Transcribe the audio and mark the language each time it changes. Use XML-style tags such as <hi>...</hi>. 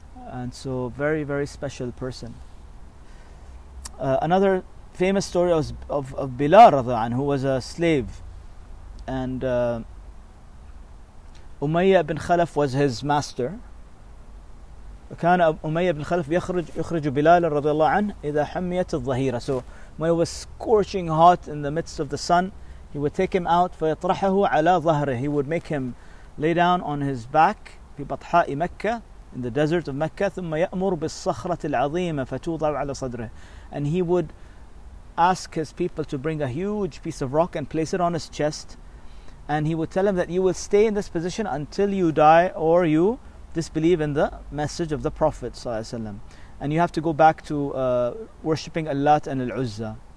<en>And so, very, very special person. Another famous story of Bilal radhiyallahu anhu, who was a slave. And Umayyah ibn Khalaf was his master.</en> <ar>كان أمية بن خلف يخرج بلال رضي الله عنه إذا حميت الظهيرة.</ar> <en>So when it was scorching hot in the midst of the sun, he would take him out</en> <ar>فيطرحه على ظهره.</ar> <en>He would make him lay down on his back</en> <ar>في بطحاء مكة,</ar> <en>in the desert of Mecca.</en> <ar>ثم يأمر بالصخرة العظيمة فتوضع على صدره.</ar> <en>And he would ask his people to bring a huge piece of rock and place it on his chest, and he would tell him that you will stay in this position until you die or you disbelieve in the message of the Prophet ﷺ, and you have to go back to worshipping Allat and Al-Uzza.</en>